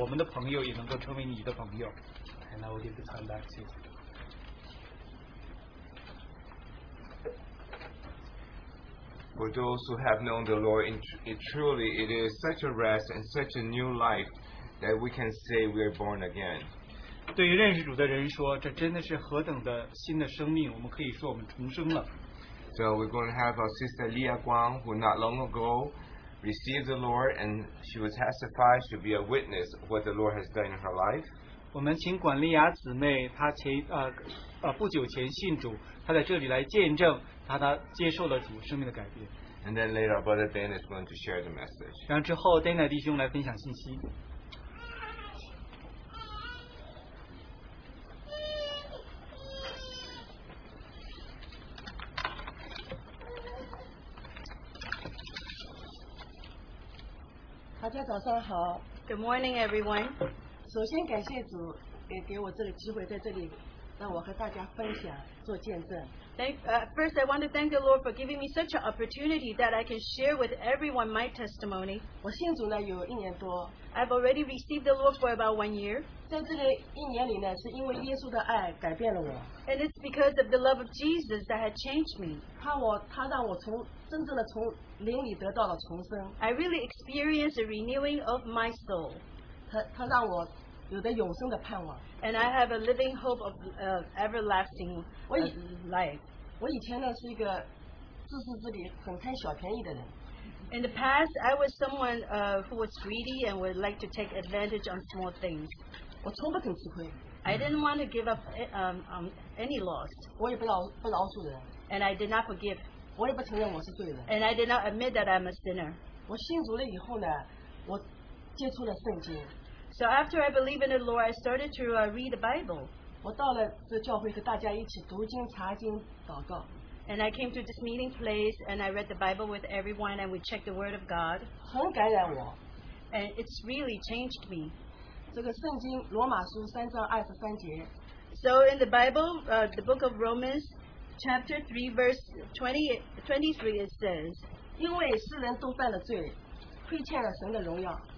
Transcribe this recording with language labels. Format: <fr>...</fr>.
<zh>再一次盼望我们的朋友也能够成为你的朋友。</zh> <en>And I will give the time back to you. For those who have known the Lord, it truly it is such a rest and such a new life that we can say we are born again.</en> <zh>对于认识主的人说，这真的是何等的新的生命！我们可以说我们重生了。</zh> <en>So we're going to have our sister Lia Guang, who not long ago received the Lord, and she will testify, she will be a witness of what the Lord has done in her life.</en> <zh>我们请管丽雅姊妹，她前不久前信主，她在这里来见证，她接受了主生命的改变。</zh> <en>And then later, Brother Dan is going to share the message.</en> <zh>然后之后 ，Dana 弟兄来分享信息。大家早上好。</zh> <en>Good morning, everyone.</en> <zh>首先感谢主给我这个机会在这里让我和大家分享做见证。</zh> <en>First, I want to thank the Lord for giving me such an opportunity that I can share with everyone my testimony.</en> <zh>我信主呢有一年多。</zh> <en>I've already received the Lord for about 1 year.</en> <zh>在这个一年里呢，是因为耶稣的爱改变了我。</zh> <en>And it's because of the love of Jesus that had changed me.</en> <zh>他让我真正的从灵里得到了重生。</zh> <en>I really experienced a renewing of my soul.</en> <zh>他让我有的永生的盼望。</zh> <en>And I have a living hope of everlasting life.</en> <zh>我以前呢是一个自私自利、很贪小便宜的人。</zh> <en>In the past, I was someone who was greedy and would like to take advantage on small things.</en> <zh>我从不肯吃亏。</zh> <en>I didn't want to give up any loss.</en> <zh>我也不饶恕人。</zh> <en>And I did not forgive.</en> <zh>我也不承认我是罪人。</zh> <en>And I did not admit that I'm a sinner.</en> <zh>我信主了以后呢，我接触了圣经。</zh> <en>So after I believe in the Lord, I started to read the Bible.</en> <zh>我到了这教会和大家一起读经、查经、祷告。</zh> <en>And I came to this meeting place and I read the Bible with everyone and we checked the Word of God.</en> <zh>很感染我。</zh> <en>And it's really changed me.</en> <zh>这个圣经罗马书三章二十三节。</zh> <en>So in the Bible, the book of Romans, chapter 3, verse 23, it says,</en> <zh>因为世人都犯了罪，亏欠了神的荣耀。</zh>